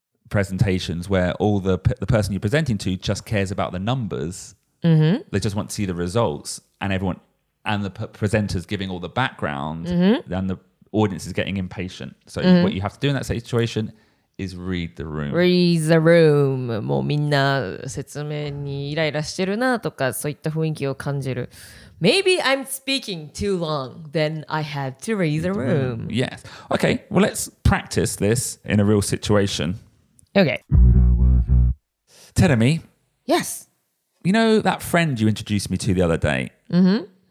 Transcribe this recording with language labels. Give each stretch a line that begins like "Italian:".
English: presentations where all the person you're presenting to just cares about the numbers. Mm-hmm. They just want to see the results, and everyone and the presenters giving all the background, mm-hmm. and the audience is getting impatient. So mm-hmm. what you have to do in that situation is read the room. Read the room.
Japanese: もうみんな説明にイライラしてるなとかそういった雰囲気を感じる。
English: Maybe I'm speaking too long, then I have to read the room. Yes. Okay, well, let's practice this in a real situation. Okay. Terumi. Yes. You know that friend you introduced me to the other day? Mm-hmm.